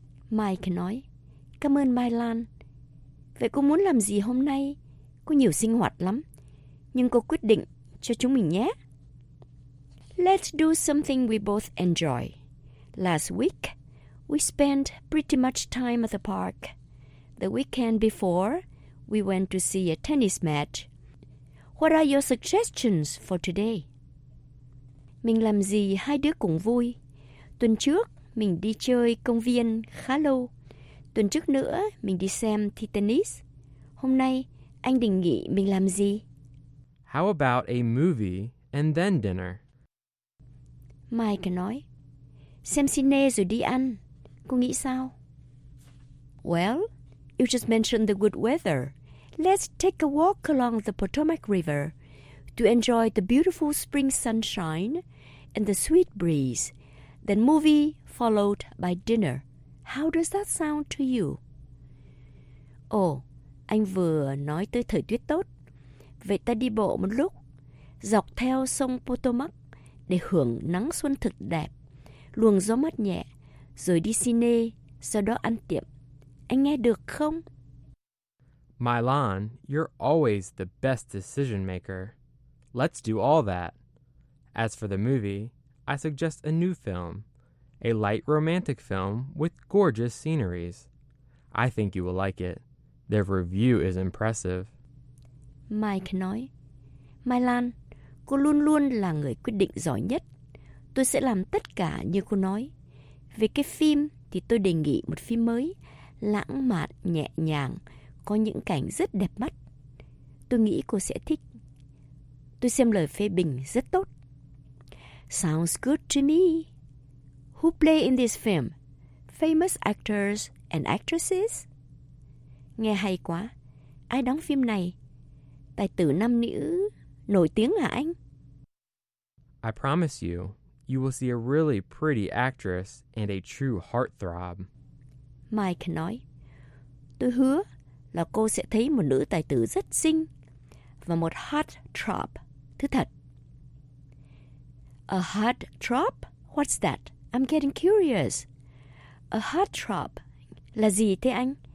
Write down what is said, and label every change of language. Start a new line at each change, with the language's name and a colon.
Vietnamese: Mike nói, cảm ơn Mylon. Vậy cô muốn làm gì hôm nay? Có nhiều sinh hoạt lắm. Nhưng cô quyết định cho chúng mình nhé.
English: Let's do something we both enjoy. Last week, we spent pretty much time at the park. The weekend before, we went to see a tennis match. What are your suggestions for today?
Vietnamese: Mình làm gì hai đứa cùng vui? Tuần trước, mình đi chơi công viên khá lâu. Tuần trước nữa, mình đi xem thi tennis. Hôm nay, anh định nghĩ mình làm gì?
English: How about a movie and then dinner?
Vietnamese: Mike nói, xem cine rồi đi ăn. Cô nghĩ sao?
English: Well, you just mentioned the good weather. Let's take a walk along the Potomac River to enjoy the beautiful spring sunshine and the sweet breeze. Then movie followed by dinner. How does that sound to you?
Vietnamese: Oh, anh vừa nói tới thời tiết tốt. Vậy ta đi bộ một lúc, dọc theo sông Potomac để hưởng nắng xuân thật đẹp, luồng gió mát nhẹ, rồi đi cine, sau đó ăn tiệm. Anh nghe được không?
English: Mylon, you're always the best decision maker. Let's do all that. As for the movie, I suggest a new film, a light romantic film with gorgeous sceneries. I think you will like it. Their review is impressive.
Vietnamese: Mike nói, Mylon, cô luôn luôn là người quyết định giỏi nhất. Tôi sẽ làm tất cả như cô nói. Về cái phim thì tôi đề nghị một phim mới, lãng mạn, nhẹ nhàng, có những cảnh rất đẹp mắt. Tôi nghĩ cô sẽ thích. Tôi xem lời phê bình rất tốt.
English: Sounds good to me. Who play in this film? Famous actors and actresses?
Vietnamese: Nghe hay quá. Ai đóng phim này? Tài tử nam nữ nổi tiếng hả anh?
English: I promise you, you will see a really pretty actress and a true heartthrob.
Vietnamese: Mike nói, Tôi hứa là cô sẽ thấy một nữ tài tử rất xinh và một heartthrob, thứ thật.
English: A heartthrob? What's that? I'm getting curious.
Vietnamese: A heartthrob là gì thế anh?